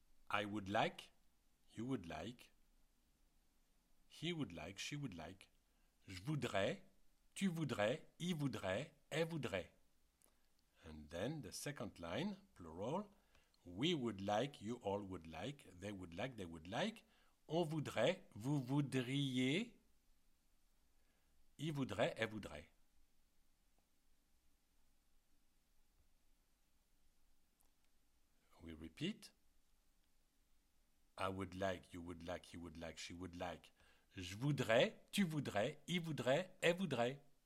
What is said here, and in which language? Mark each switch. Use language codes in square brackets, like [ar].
[en] I would like, you would like, he would like, she would like. [fr] Je voudrais, tu voudrais, il voudrait, elle voudrait. [en] And then the second line, plural. We would like, you all would like, they would like, [fr] on voudrait, vous voudriez, il voudrait, elle voudrait. [en] We repeat. I would like, you would like, he would like, she would like. [fr] Je voudrais, tu voudrais, il voudrait, elle voudrait.